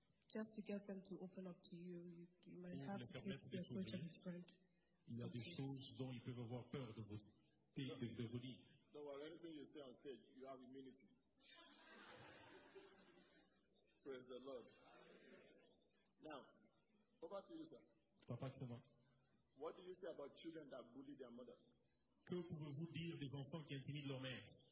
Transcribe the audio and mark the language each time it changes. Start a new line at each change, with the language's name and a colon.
English: Just to get them to open up to you, you might have to take the approach of a friend.
French: Il y a des choses dont ils peuvent avoir peur de vous dire.
English: No, well, anything you say on stage, you have immunity. Praise the Lord. Now, over to you, sir.
French: Papa, c'est moi.
English: What do you say about children that bully their mothers?
French: Que pouvez-vous dire des enfants qui intimident leur mère?